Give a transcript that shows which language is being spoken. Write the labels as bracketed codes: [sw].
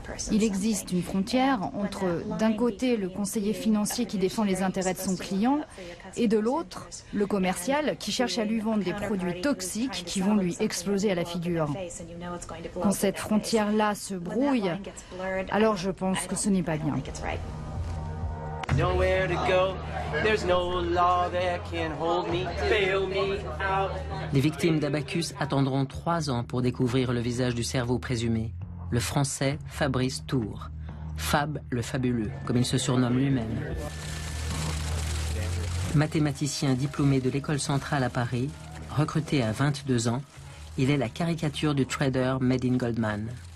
[fr] Il existe une frontière entre, d'un côté, le conseiller financier qui défend les intérêts de son client, et de l'autre, le commercial qui cherche à lui vendre des produits toxiques qui vont lui exploser à la figure. Quand cette frontière-là se brouille, alors je pense que ce n'est pas bien. [en] Nowhere to go. There's no law that can hold me, bail me out. [fr] Les victimes d'Abacus attendront 3 ans pour découvrir le visage du cerveau présumé, le français Fabrice Tour. Fab le fabuleux, comme il se surnomme lui-même. Mathématicien diplômé de l'école centrale à Paris, recruté à 22 ans, il est la caricature du trader made in Goldman.